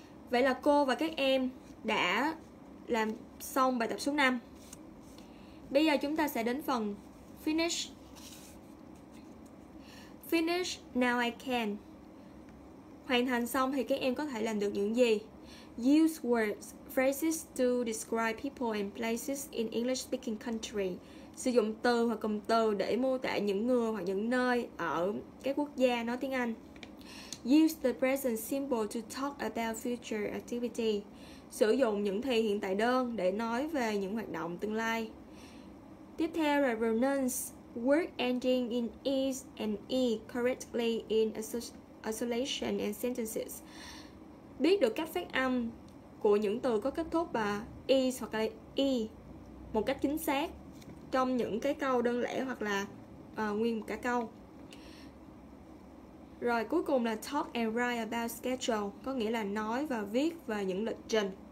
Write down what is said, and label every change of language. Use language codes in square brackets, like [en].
[vi] Vậy là cô và các em đã làm xong bài tập số 5. Bây giờ chúng ta sẽ đến phần finish. [en] Finish now I can. [vi] Hoàn thành xong thì các em có thể làm được những gì? [en] Use words, phrases to describe people and places in English speaking country. [vi] Sử dụng từ hoặc cụm từ để mô tả những người hoặc những nơi ở các quốc gia nói tiếng Anh. [en] Use the present simple to talk about future activity. [vi] Sử dụng những thì hiện tại đơn để nói về những hoạt động tương lai. Tiếp theo là [en] pronounce word ending in is and e correctly in isolation and sentences. [vi] Biết được cách phát âm của những từ có kết thúc là is hoặc là e một cách chính xác trong những cái câu đơn lẻ hoặc là nguyên cả câu. Rồi cuối cùng là [en] talk and write about schedule, [vi] có nghĩa là nói và viết về những lịch trình.